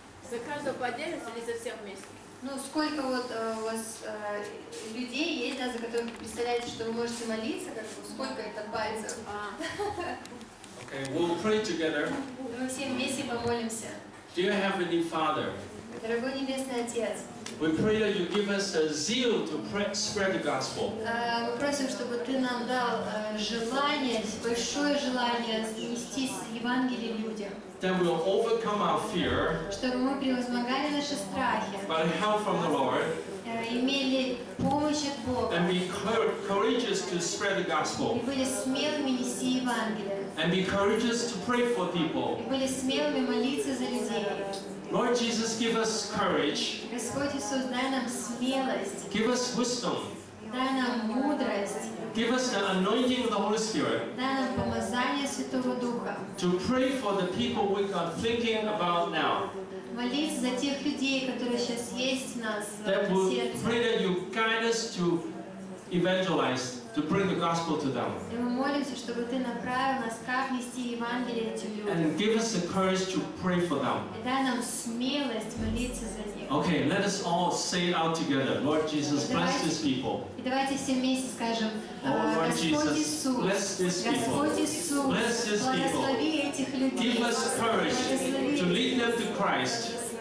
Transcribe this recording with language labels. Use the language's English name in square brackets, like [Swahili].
[Russian] За каждого по отдельности или за всех вместе? Ну, сколько вот у вас людей есть, да, за которых вы представляете, что вы можете молиться, как бы, сколько это пальцев? [English] Okay, we'll pray together. [Russian] Мы все вместе помолимся. [English] Do you have any Father? [Russian] Дорогой Небесный Отец, [English] we pray that you give us a zeal to spread the gospel. [Russian] Мы просим, чтобы ты нам дал желание, большое желание нести Евангелие людям. [English] Then we'll overcome our fear. [Russian] Чтобы мы превозмогали наши страхи. [English] By help from the Lord. [Russian] Имели помощь от Бога. [English] And be courageous to spread the gospel. [Russian] И были смелыми нести Евангелие. [English] And be courageous to pray for people. [Russian] И были смелыми молиться за людей. [English] Lord Jesus, give us courage. [Russian] Господь Иисус, дай нам смелость. [English] Give us wisdom. [Russian] Дай нам мудрость. [English] Give us the anointing of the Holy Spirit. [Russian] Дай нам помазание Святого Духа. [English] To pray for the people we are thinking about now. [Russian] Молись за тех людей, которые сейчас есть у нас в сердце. [English] That will pray that you guide us to evangelize, to bring the gospel to them. [Russian] И мы молимся, чтобы ты направил нас, как нести Евангелие этим людям. [English] And give us the courage to pray for them. [Russian] И дай нам смелость молиться за них. [English] Okay, let us all say it out together. Lord Jesus, bless these people. [Russian] И давайте все вместе скажем: Господь Иисус, [English] bless these people. [Russian] Благослови этих людей. [English] Give us courage to lead them to Christ.